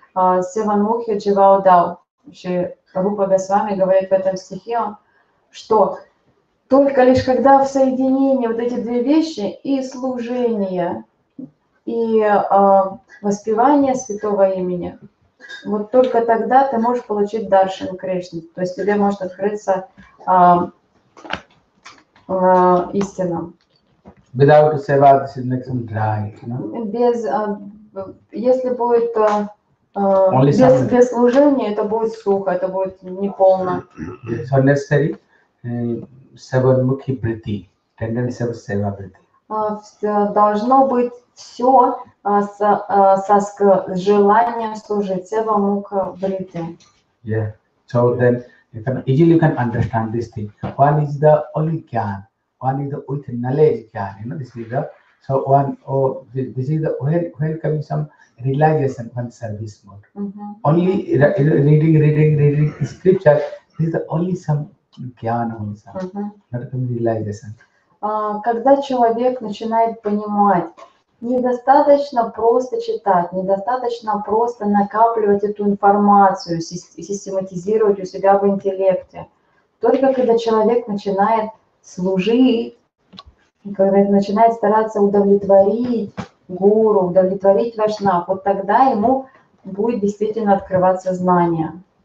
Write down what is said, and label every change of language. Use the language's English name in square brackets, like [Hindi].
[Russian] Сева Мухи Дживао Дау, Рупа Госвами говорит в этом стихе, что только лишь когда в соединении вот эти две вещи, и служение, и воспевание святого имени, вот только тогда ты можешь получить даршан Кришны, то есть тебе может открыться истина. [English] Without seva, this is like some dry, you know? [Russian] Без, если будет... Без служения это будет сухо, это будет неполно. [English] So necessary seven mukhi vritti, tendency of seva vritti. [Russian] Должно быть все с желанием служить, seva mukha vritti. [English] Yeah, so then you can understand this thing. One is the only gyan, one is the with knowledge gyan, you know, this is the... So this is the where comes some realization from service mode. Mm-hmm. Only reading scripture, this is the only some jnana also, not some realization. [Russian] Когда человек начинает понимать, недостаточно просто читать, недостаточно просто накапливать эту информацию, систематизировать у себя в интеллекте. Только когда человек начинает служить, когда начинает стараться удовлетворить гуру, удовлетворить вашнав, вот тогда ему будет действительно открываться знание.